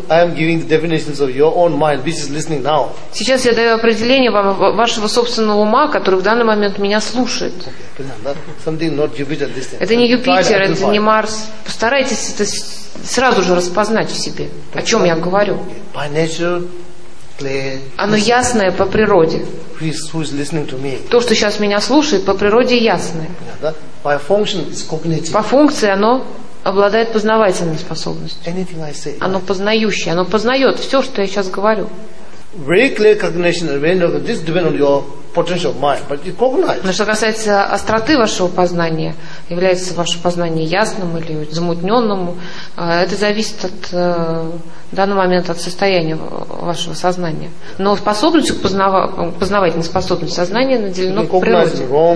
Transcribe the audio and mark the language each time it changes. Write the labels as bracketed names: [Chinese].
[English] I am giving the definitions of your own mind, which is listening now. [Russian] Сейчас я даю определение вам вашего собственного ума, который в данный момент меня слушает. [English] Something not Jupiter listening. [Russian] Это не Юпитер, это не Марс. Постарайтесь это сразу же распознать в себе, о чем я говорю. [English] By nature, [Russian] оно ясное по природе. [English] Who is listening to me? [Russian] То, что сейчас меня слушает, по природе ясное. [English] By function is cognitive. [Russian] По функции оно обладает познавательной способностью. [English] Anything I say. [Russian] Оно познающее, оно познает все, что я сейчас говорю. [English] Very clear cognition, very clear. This depends on your potential mind, but it cognizes. [Russian] Но что касается остроты вашего познания, является ваше познание ясным или замутненным, это зависит от данного момента, от состояния вашего сознания. Но способность познавательной способности сознания наделено по природе.